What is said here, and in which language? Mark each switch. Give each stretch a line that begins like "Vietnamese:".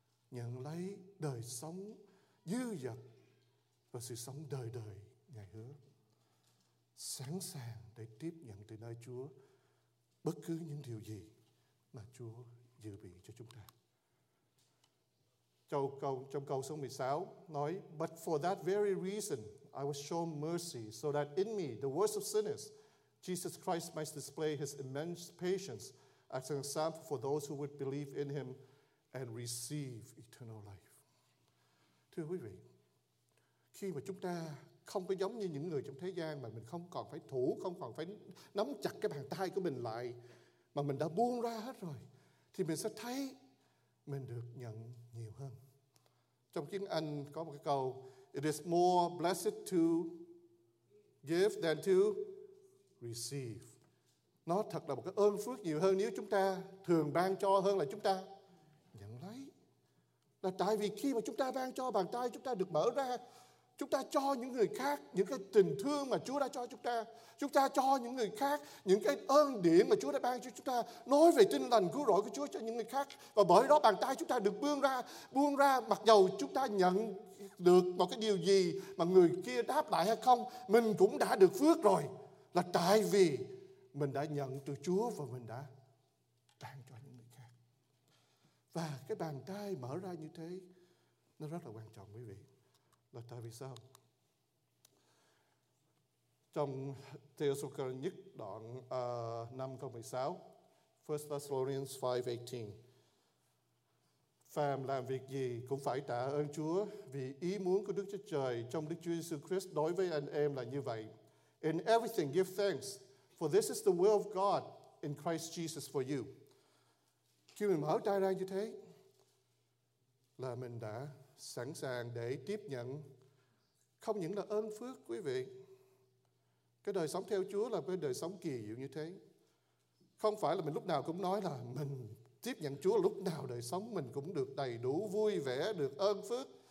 Vietnamese: Nhận lấy đời sống dư dật và sự sống đời đời ngày hứa. Sẵn sàng để tiếp nhận từ nơi Chúa bất cứ những điều gì mà Chúa dự bị cho chúng ta. Trong câu số 16 nói,
English: But for that very reason, I was shown mercy, so that in me, the worst of sinners, Jesus Christ might display his immense patience as an example for those who would believe in him and receive eternal life.
Vietnamese: Thưa quý vị, khi mà chúng ta không có giống như những người trong thế gian mà mình không còn phải thủ, không còn phải nắm chặt cái bàn tay của mình lại, mà mình đã buông ra hết rồi, thì mình sẽ thấy mình được nhận nhiều hơn. Trong tiếng Anh có một cái câu,
English: It is more blessed to give than to receive.
Vietnamese: Nó thật là một cái ơn phước nhiều hơn nếu chúng ta thường ban cho hơn là chúng ta nhận lấy. Là tại vì khi mà chúng ta ban cho, bàn tay chúng ta được mở ra, chúng ta cho những người khác những cái tình thương mà Chúa đã cho chúng ta. Chúng ta cho những người khác những cái ơn điển mà Chúa đã ban cho chúng ta. Nói về tin lành cứu rỗi của Chúa cho những người khác. Và bởi đó bàn tay chúng ta được buông ra mặc dầu chúng ta nhận được một cái điều gì mà người kia đáp lại hay không. Mình cũng đã được phước rồi. Là tại vì mình đã nhận từ Chúa và mình đã ban cho những người khác. Và cái bàn tay mở ra như thế, nó rất là quan trọng quý vị. Là tại vì sao? Trong Thessalonians nhất đoạn 5:16, 1 Thessalonians 5:18, phàm làm việc gì cũng phải tạ ơn Chúa vì ý muốn của Đức Chúa Trời trong Đức Chúa Jesus Christ đối với anh em là như vậy.
English: In everything give thanks, for this is the will of God in Christ Jesus for you.
Vietnamese: Khi mình mở tay ra như thế, là mình đã sẵn sàng để tiếp nhận không những là ơn phước quý vị. Cái đời sống theo Chúa là cái đời sống kỳ diệu như thế. Không phải là mình lúc nào cũng nói là mình tiếp nhận Chúa lúc nào đời sống mình cũng được đầy đủ vui vẻ, được ơn phước.